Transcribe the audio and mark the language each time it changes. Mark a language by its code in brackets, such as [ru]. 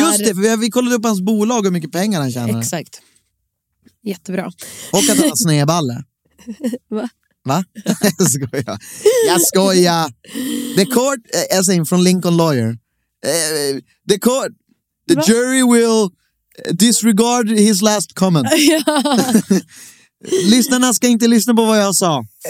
[sv] Just det, för vi kollade upp hans bolag och hur mycket pengar han tjänar. Exakt. Jättebra. Och att han har snöballe. Va? Jag skojar. [en] The court, as in from Lincoln Lawyer. The court, the va? Jury will disregard his last comment. [sv] Lyssnarna ska inte lyssna på vad jag sa.